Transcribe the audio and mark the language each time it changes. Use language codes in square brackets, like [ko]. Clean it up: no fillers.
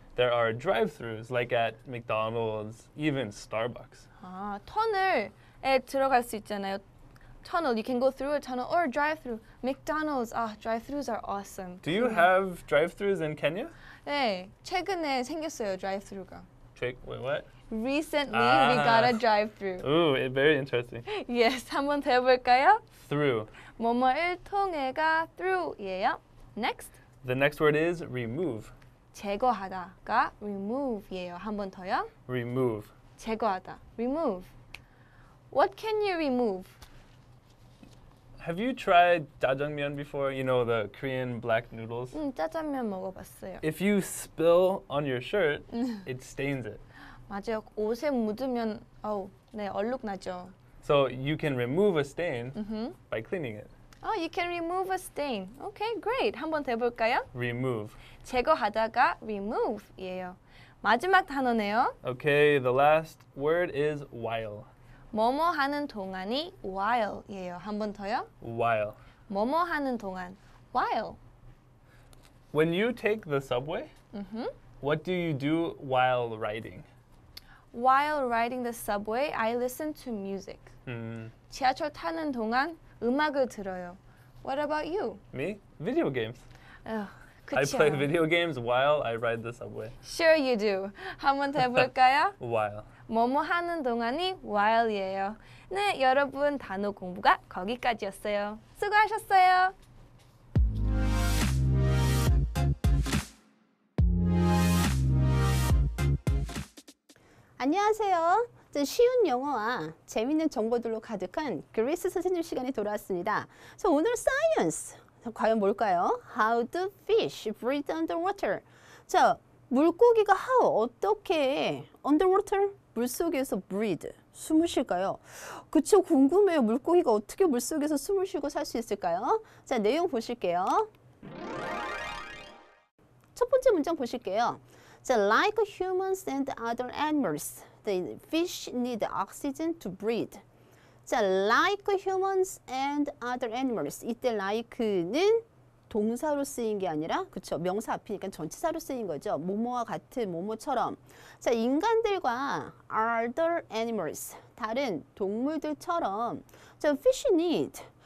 [en] There are drive-thrus, like at McDonald's, even Starbucks. [ko] 아, 터널에 들어갈 수 있잖아요. [en] Tunnel, you can go through a tunnel or drive-thru. McDonald's, [ko] 아, [en] drive-thrus are awesome. Do you have drive-thrus in Kenya? [ko] 네, 최근에 생겼어요, drive-thru가. [en] Wait, what? Recently, we got a drive-thru. Ooh, very interesting. Yes, [ko] 한번 더 해볼까요? [en] Through. [ko] 뭐뭐를 통해가 through예요. [en] Next. The next word is remove. [ko] 제거하다가 remove예요. 한번 더요. [en] Remove. [ko] 제거하다. [en] Remove. What can you remove? Have you tried 짜장면 before? You know, the Korean black noodles? [ko] 짜장면 먹어봤어요. [en] If you spill on your shirt, it stains it. [ko] 맞아요. 옷에 묻으면 네, 얼룩 나죠. [en] So you can remove a stain by cleaning it. Oh, you can remove a stain. Okay, great. [ko] 한번 더 해볼까요? [en] Remove. [ko] 제거하다가 remove예요. 마지막 단어네요. [en] Okay, the last word is while. [ko] 뭐뭐 하는 동안이 while예요. 한번 더요. [en] While. [ko] 뭐뭐 하는 동안. While. [en] When you take the subway, what do you do while riding? While riding the subway, I listen to music. [ko] 지하철 타는 동안 음악을 들어요. [en] What about you? Me? Video games. Oh, I play video games while I ride the subway. Sure you do. [ko] 한번 더 해볼까요? [en] While. [ko] 뭐뭐 하는 동안이 while이에요. 네, 여러분 단어 공부가 거기까지였어요. 수고하셨어요. (목소리) 이제 쉬운 영어와 재미있는 정보들로 가득한 그리스 선생님 시간이 돌아왔습니다. 그래서 오늘 science 과연 뭘까요? [en] How do fish breathe underwater? [ko] 자, 물고기가 how 어떻게 underwater 물 속에서 breathe 숨을 쉴까요? 그쵸, 궁금해요. 물고기가 어떻게 물 속에서 숨을 쉬고 살 수 있을까요? 자, 내용 보실게요. 첫 번째 문장 보실게요. [en] So, like humans and other animals, the fish need oxygen to breathe. So, like humans and other animals. [ko] 이때 like는 동사로 쓰인 게 아니라, 그쵸, 명사 앞이니까 전치사로 쓰인 거죠. 뭐뭐와 같은, 뭐뭐처럼. 자, 인간들과 other animals, 다른 동물들처럼. [en] So, fish need.